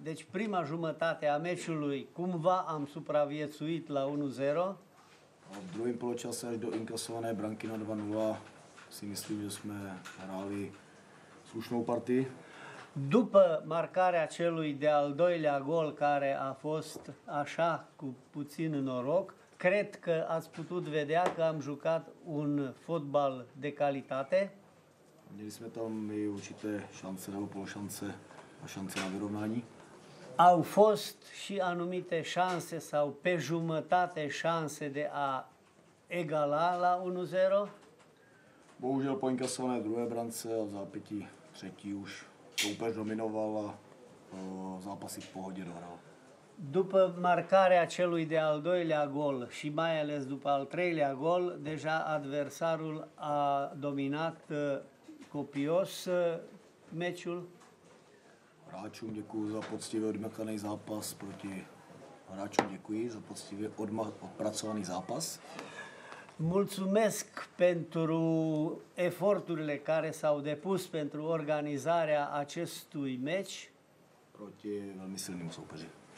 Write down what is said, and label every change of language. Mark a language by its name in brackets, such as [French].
[Romanian] Prima jumătate a meciului, cumva am supraviețuit la 1-0. [Czech] A v druhém polčase až do inkasované branky na 2-0 si myslím, že jsme hráli slušnou partii. [Romanian] După marcarea celui de-al doilea gol, care a fost așa cu puțin noroc, cred că ați putut vedea că am jucat un fotbal de calitate. [Czech] Měli jsme tam i určité šance nebo pološance a šance na vyrovnání. [Romanian] au fost și anumite șanse sau pe jumătate șanse de a egala la 1-0? [Czech] Bohužel po inkasované druhé brance a v zápětí třetí už soupeř dominoval a zápasy v pohodě dohrál. [Romanian] După marcarea celui de al doilea gol și mai ales după al treilea gol, deja adversarul a dominat copios meciul. [Czech] Hráčům děkuji za poctivě odmakaný zápas proti hráčům děkuji za poctivě odpracovaný zápas. [Romanian] Mulțumesc pentru eforturile care s-au depus pentru organizarea acestui meci. [Czech] Proti velmi silnému soupeři.